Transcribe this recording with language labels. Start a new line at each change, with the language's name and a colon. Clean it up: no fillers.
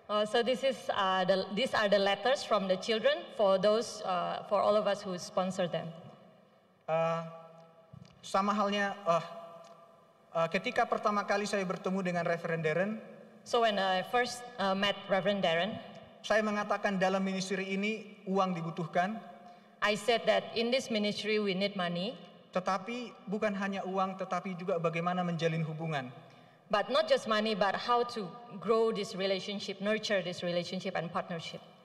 English: So this is these are the letters from the children for those for all of us who sponsor them.
Indonesian: Sama halnya ketika pertama kali saya bertemu dengan Reverend Darren.
English: So when I first met Reverend Darren,
Indonesian: saya mengatakan dalam ministry ini uang dibutuhkan.
English: I said that in this ministry we need money.
Indonesian: Tetapi bukan hanya uang, tetapi juga bagaimana menjalin hubungan.
English: But not just money, but how to grow this relationship, nurture this relationship and partnership.